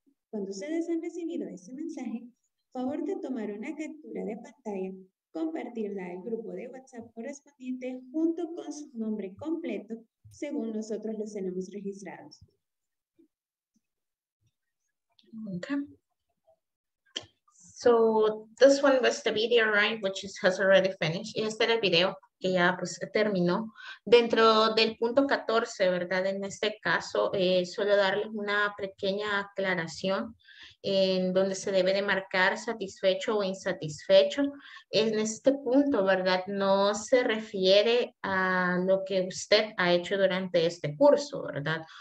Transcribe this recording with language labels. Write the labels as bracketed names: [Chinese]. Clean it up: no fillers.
[Spanish] Cuando ustedes han recibido este mensaje, favor de tomar una captura de pantalla, compartirla al grupo de WhatsApp correspondiente junto con su nombre completo, según nosotros los tenemos registrados. [English] Okay. So, this one was the video, right, which is, has already finished. [Spanish] Y este era el video que ya pues, terminó. Dentro del punto 14, ¿verdad? En este caso, suelo darles una pequeña aclaración en donde se debe de marcar satisfecho o insatisfecho. En este punto, ¿verdad? No se refiere a lo que usted ha hecho durante este curso, ¿verdad?